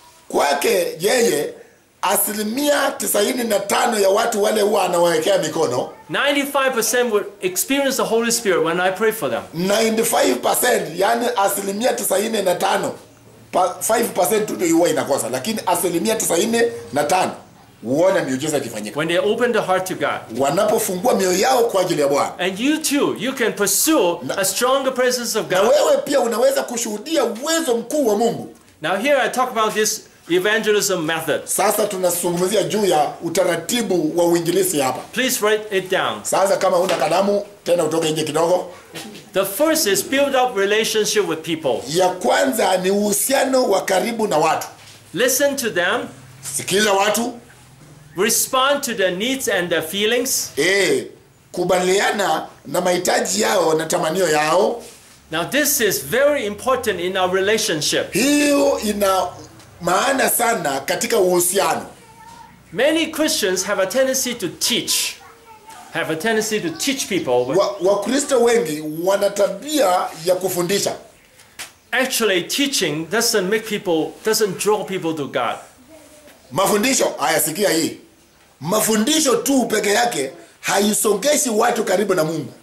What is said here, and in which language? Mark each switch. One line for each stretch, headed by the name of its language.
Swahili: kwake yeye asilimia 95 ya watu wale huwa anawawekea mikono,
English: 95% would experience the Holy Spirit when I pray for them.
Swahili: 95% yani asilimia 95, 5% tu ndio huwa inakosa, lakini asilimia 95 uone miujiza ikifanyika.
English: When they open their heart to God,
Swahili: wanapofungua mioyo yao kwa ajili ya Bwana.
English: And you too, you can pursue a stronger presence of God.
Swahili: Na wewe pia unaweza kushuhudia uwezo mkuu wa Mungu.
English: Now here I talk about this evangelism method.
Swahili: Sasa tunazungumzia juu ya utaratibu wa uinjilisti hapa.
English: Please write it down.
Swahili: Sasa kama una kalamu tena utoke nje kidogo.
English: The first is build up relationship with people.
Swahili: Ya kwanza ni uhusiano wa karibu na watu.
English: Listen to them.
Swahili: Sikiliza watu.
English: Respond to their needs and their feelings.
Swahili: Eh, kubaliana na mahitaji yao na tamanio yao.
English: Now this is very important in our relationship.
Swahili: Hiyo ina maana sana katika uhusiano.
English: Many Christians have a tendency to teach. Have a tendency to teach people.
Swahili: Wakristo wengi wana tabia ya kufundisha.
English: Actually, teaching doesn't draw people to God.
Swahili: Mafundisho, haya sikia hii. Mafundisho tu peke yake haisongeshi watu karibu na Mungu.